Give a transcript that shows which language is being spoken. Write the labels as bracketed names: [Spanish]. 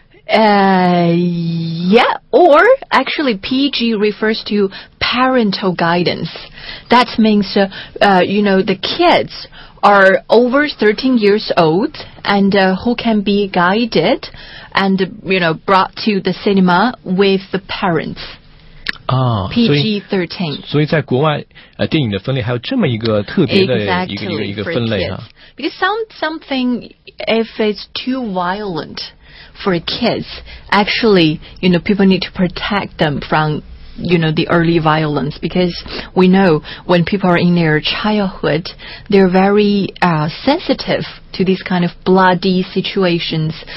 [English] yeah or actually PG refers toparental guidance. That means, you know, the kids are over 13 years old and who can be guided and, you know, brought to the cinema with the parents. PG-13. [Chinese] 所以在国外电影的分类还有这么一个特别的一个分类啊。 [English] Because something, if it's too violent for kids, actually, you know, people need to protect them from,you know, the early violence, because we know when people are in their childhood, they're very sensitive to these kind of bloody situations.